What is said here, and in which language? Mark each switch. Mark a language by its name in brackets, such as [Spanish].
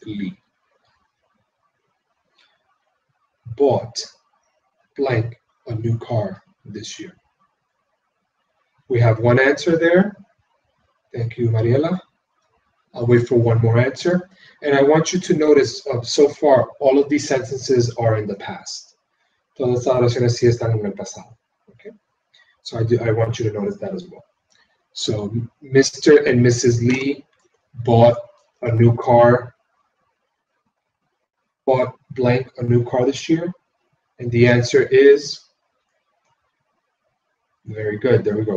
[English] Lee bought blank a new car this year. We have one answer there. Thank you, Mariela. I'll wait for one more answer. And I want you to notice, so far, all of these sentences are in the past. [Spanish] Todas las oraciones sí están en el pasado. [English] Okay? So I want you to notice that as well. So Mr. and Mrs. Lee bought a new car, bought blank a new car this year. And the answer is, very good. There we go.